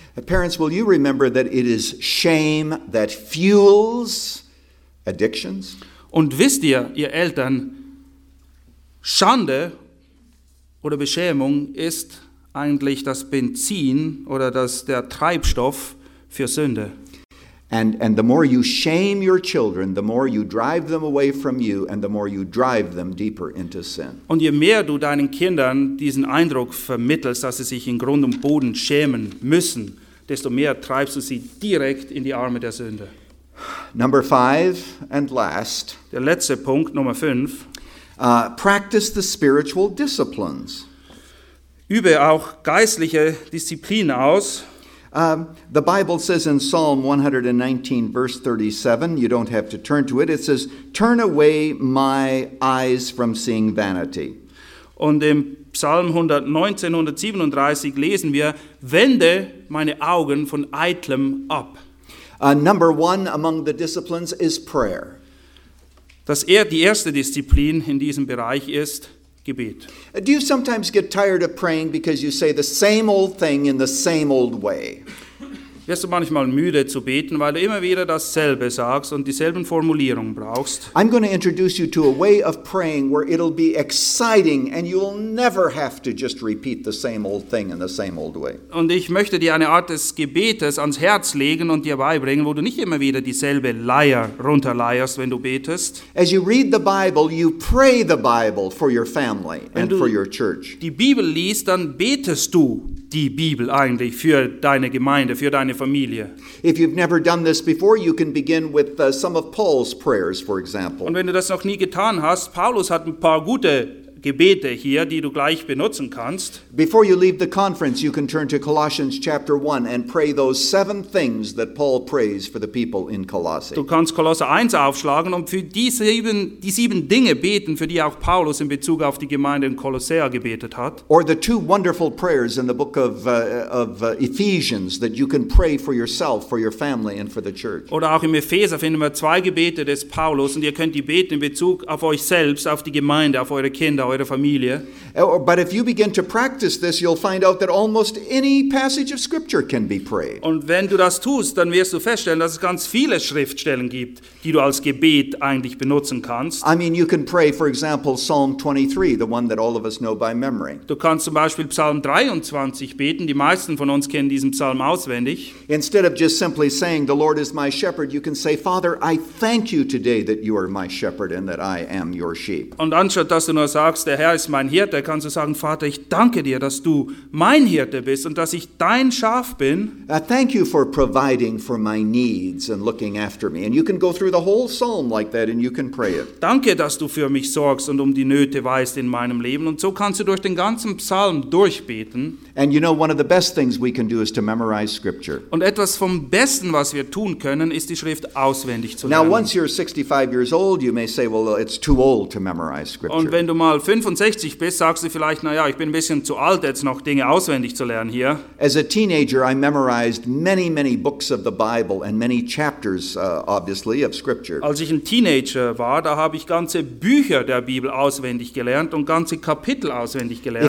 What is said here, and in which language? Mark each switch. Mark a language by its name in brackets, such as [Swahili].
[English] Parents, will you remember that it is shame that fuels addictions? [German] Und wisst ihr, ihr Eltern, Schande oder Beschämung ist eigentlich das Benzin oder das der Treibstoff für Sünde. [English] And the more you shame your children, the more you drive them away from you and the more you drive them deeper into sin. [German] Und je mehr du deinen Kindern diesen Eindruck vermittelst, dass sie sich in Grund und Boden schämen müssen, desto mehr treibst du sie direkt in die Arme der Sünde. [English] Number 5 and last. [German] Der letzte Punkt, Nummer 5. [English] Practice the spiritual disciplines. [German] Übe auch geistliche Disziplin aus. [English] The Bible says in Psalm 119, verse 37, you don't have to turn to it, it says, "Turn away my eyes from seeing vanity." [German] Und im Psalm 119, 137 lesen wir, wende meine Augen von Eitlem ab. [English] Number one among the disciplines is prayer. [German] Die erste Disziplin in diesem Bereich ist Gebet. [English] Do you sometimes get tired of praying because you say the same old thing in the same old way? [German] Wirst du manchmal müde zu beten, weil du immer wieder dasselbe sagst und dieselben Formulierungen brauchst? [English] I'm going to introduce you to a way of praying where it'll be exciting and you'll never have to just repeat the same old thing in the same old way. [German] Und ich möchte dir eine Art des Gebetes ans Herz legen und dir beibringen, wo du nicht immer wieder dieselbe Leier runterleierst, wenn du betest. [English] As you read the Bible, you pray the Bible for your family and for your church. [German] Wenn du die Bibel liest, dann betest du die Bibel eigentlich für deine Gemeinde, für deine Familie. [English] If you've never done this before, you can begin with some of Paul's prayers, for example. [German] Und wenn du das noch nie getan hast, Paulus hat ein paar gute Gebete hier, die du gleich benutzen kannst. [English] Before you leave the conference, you can turn to Colossians chapter 1 and pray those 7 things that Paul prays for the people in Colossae. [German] Du kannst Kolosser 1 aufschlagen und für die sieben Dinge beten, für die auch Paulus in Bezug auf die Gemeinde in Kolossea gebetet hat. [English] Or the 2 wonderful prayers in the book of Ephesians that you can pray for yourself, for your family and for the church. [German] Oder auch im Epheser finden wir 2 Gebete des Paulus und ihr könnt die beten in Bezug auf euch selbst, auf die Gemeinde, auf eure Kinder, eurer Familie. [English] But if you begin to practice this, you'll find out that almost any passage of Scripture can be prayed. [German] Und wenn du das tust, dann wirst du feststellen, dass es ganz viele Schriftstellen gibt, die du als Gebet eigentlich benutzen kannst. [English] I mean, you can pray, for example, Psalm 23, the one that all of us know by memory. [German] Du kannst zum Beispiel Psalm 23 beten. Die meisten von uns kennen diesen Psalm auswendig. [English] Instead of just simply saying, "The Lord is my shepherd," you can say, "Father, I thank you today that you are my shepherd and that I am your sheep." [German] Und anstatt dass du nur sagst, der Herr ist mein Hirte, kannst du sagen, Vater, ich danke dir, dass du mein Hirte bist und dass ich dein Schaf bin. [English] Thank you for providing for my needs and looking after me. And you can go through the whole psalm like that and you can pray it. [German] Danke, dass du für mich sorgst und um die Nöte weißt in meinem Leben. Und so kannst du durch den ganzen Psalm durchbeten. [English] And you know, one of the best things we can do is to memorize Scripture. [German] Und etwas vom Besten, was wir tun können, ist die Schrift auswendig zu lernen. [English] Now, once you're 65 years old, you may say, "Well, it's too old to memorize Scripture." [German] Und wenn du mal 65 bist, sagst du vielleicht, "Na ja, ich bin ein bisschen zu alt, jetzt noch Dinge auswendig zu lernen hier." [English] As a teenager, I memorized many, many books of the Bible and many chapters, obviously, of Scripture. [German] Als ich ein Teenager war, da habe ich ganze Bücher der Bibel auswendig gelernt und ganze Kapitel auswendig gelernt.